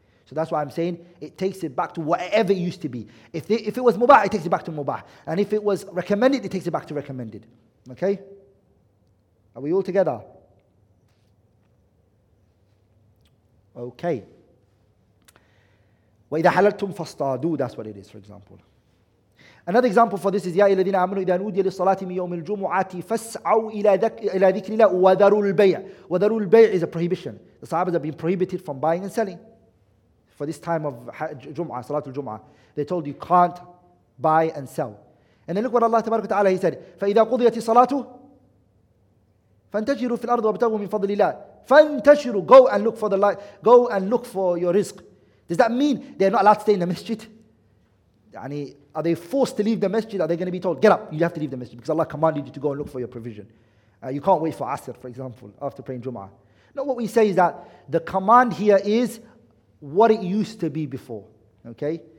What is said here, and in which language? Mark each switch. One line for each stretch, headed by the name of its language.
English: So that's why I'm saying it takes it back to whatever it used to be. If it was mubah, it takes it back to mubah. And if it was recommended, it takes it back to recommended. Okay? Are we all together? Okay.
Arabic: وَإِذَا حَلَلْتُمْ فَاصْطَادُوا.
English: That's what it is, for example. Another example for this is
Arabic: يَا إِلَذِينَ آمَنُوا إِذَا نُودِيَ لِلصَّلَاةِ مِنْ يَوْمِ الْجُمُعَةِ فَاسْعَوْا إِلَى ذِكْرِ اللَّهِ وَذَرُوا الْبَيْعِ. وَذَرُوا الْبَيْعِ
English: is a prohibition. The Sahabas have been prohibited from buying and selling for this time of Jum'ah, Salatul Jum'ah. They told you can't buy and sell. And then look what Allah Ta'ala, He said,
Arabic: فَإِذَا قُضِيَتِ الصَّلَاةُ فَانْتَشِرُوا فِي الْأَرْضِ وَابْتَغُوا مِنْ فَضْلِ اللَّهِ فَانْتَشِرُوا.
English: Go and look for the light. Go and look for your rizq. Does that mean they're not allowed to stay in the masjid? Are they forced to leave the masjid? Are they going to be told, get up, you have to leave the masjid because Allah commanded you to go and look for your provision. You can't wait for Asr, for example, after praying Jum'ah. No, what we say is that the command here is what it used to be before. Okay?